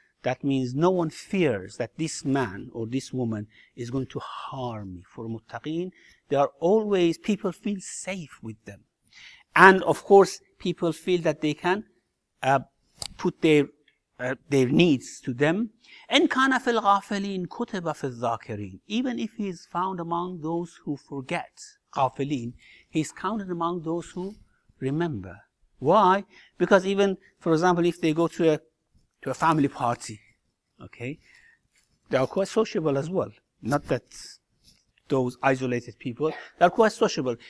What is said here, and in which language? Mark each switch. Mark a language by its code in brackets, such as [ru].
[en] That means no one fears that this man or this woman is going to harm me. For muttaqin, they are always, people feel safe with them. And of course, people feel that they can put their needs to them. [ar] إن كان في الغافلين كتب في الذاكرين. [en] Even if he is found among those who forget, غافلين, he is counted among those who remember. Why? Because even, for example, if they go to a family party, okay, they are quite sociable as well. Not that those isolated people, they are quite sociable.